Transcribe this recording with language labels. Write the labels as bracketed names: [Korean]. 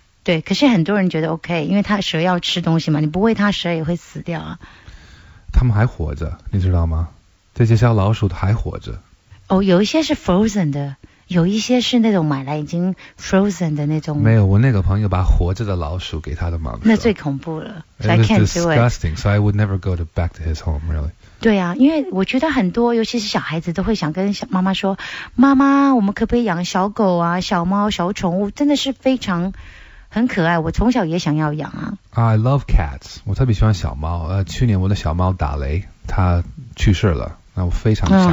[Chinese] 对，可是很多人觉得 OK， 因为它蛇要吃东西嘛，你不喂它，蛇也会死掉啊。他们还活着，你知道吗？这些小老鼠还活着。哦，有一些是 frozen 的，有一些是那种买来已经 frozen 的那种。没有，我那个朋友把活着的老鼠给他的妈妈。那最恐怖了。 [English] It was disgusting, so I would never go back to his home, really. [Chinese] 对啊，因为我觉得很多尤其是小孩子都会想跟小妈妈说，妈妈我们可不可以养小狗啊，小猫小宠物，真的是非常很可爱，我从小也想要养啊。 [English] I love cats， [Chinese] 我特别喜欢小猫。去年我的小猫打雷它去世了，那我非常想它，